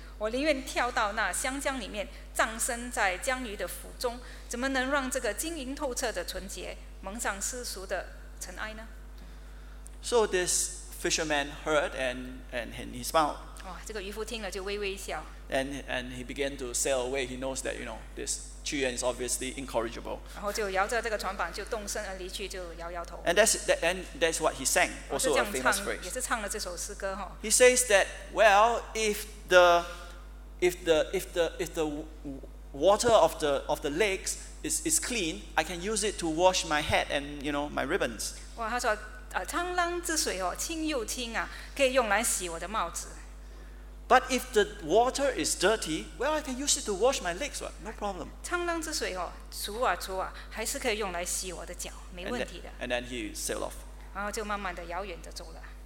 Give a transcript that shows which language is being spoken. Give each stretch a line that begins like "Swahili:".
Chinese: 我宁愿跳到那湘江里面，葬身在江鱼的腹中，怎么能让这个晶莹透彻的纯洁蒙上世俗的尘埃呢？
English: So this fisherman heard and he smiled.
Chinese: 哇，这个渔夫听了就微微笑。
English: And he began to sail away. He knows that, you know, this Qu Yuan is obviously incorrigible.
Chinese: 然后就摇着这个船板就动身而离去，就摇摇头。
English: And that's what he sang, also a famous phrase.
Chinese: 也是唱了这首诗歌哈。
English: He says that, well, if the water of the lakes is clean, I can use it to wash my head and, you know, my ribbons.
Chinese: 哇，他说，沧浪之水哦，清又清啊，可以用来洗我的帽子。
English: But if the water is dirty, well, I can use it to wash my legs, right? No problem.
Chinese: 沧浪之水哦，除啊除啊，还是可以用来洗我的脚，没问题的。
English: And then he sailed off.
Chinese: 然后就慢慢的遥远的走了。